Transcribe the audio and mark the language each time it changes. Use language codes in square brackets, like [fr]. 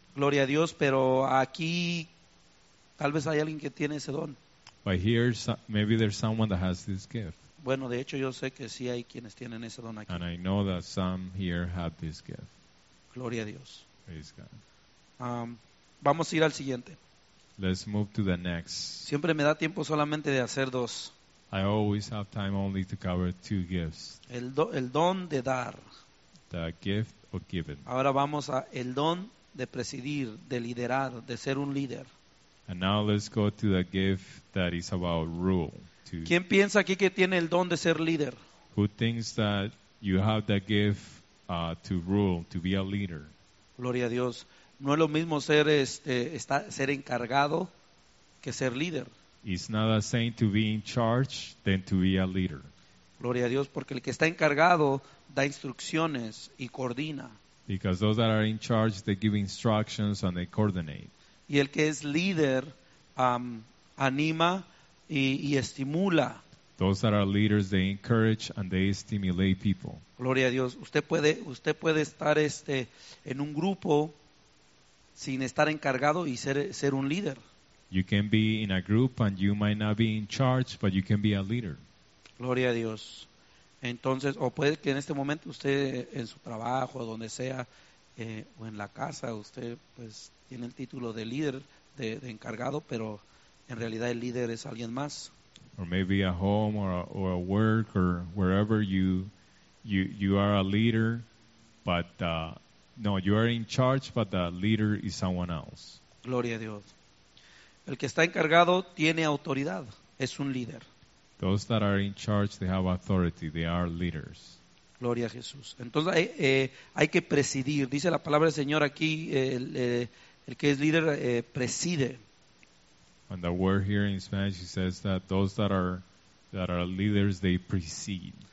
[es] Gloria a Dios, pero aquí tal vez hay alguien que tiene ese don. [en] But here, maybe there's someone that has this gift. [es] Bueno, de hecho, yo sé que sí hay quienes tienen ese don aquí. [en] And I know that some here have this gift. [es] Gloria a Dios. [en] Praise God. [es] Vamos a ir al siguiente. [en] Let's move to the next. [es] Siempre me da tiempo solamente de hacer dos. [en] I always have time only to cover two gifts. [es] El don de dar. [en] The gift of giving. [es] Ahora vamos a el don de presidir, de liderar, de ser un líder. [en] And now let's go to the gift that is about rule. [es] ¿Quién piensa aquí que tiene el don de ser líder? [en] Who thinks that you have the gift to rule, to be a leader? [es] Gloria a Dios. No es lo mismo ser ser encargado que ser líder. [en] It's not the same to be in charge than to be a leader. [es] Gloria a Dios, porque el que está encargado da instrucciones y coordina. [en] Because those that are in charge, they give instructions and they coordinate. [es] Y el que es líder anima y estimula. [en] Those that are leaders, they encourage and they stimulate people. [es] Gloria a Dios. Usted puede estar en un grupo sin estar encargado y ser un líder. [en] You can be in a group and you might not be in charge, but you can be a leader. [es] Gloria a Dios. Entonces, o puede que en este momento usted en su trabajo, donde sea, o en la casa, usted pues tiene el título de líder, de encargado, pero en realidad el líder es alguien más. [en] Or maybe at home or at work or wherever you are a leader, but no, you are in charge, but the leader is someone else. [es] Gloria a Dios. El que está encargado tiene autoridad, es un líder. [en] Those that are in charge, they have authority, they are leaders. [es] Gloria a Jesús. Entonces hay que presidir. Dice la palabra del Señor aquí, el que es líder preside. [en] And the word here in Spanish says that those that are leaders, they precede.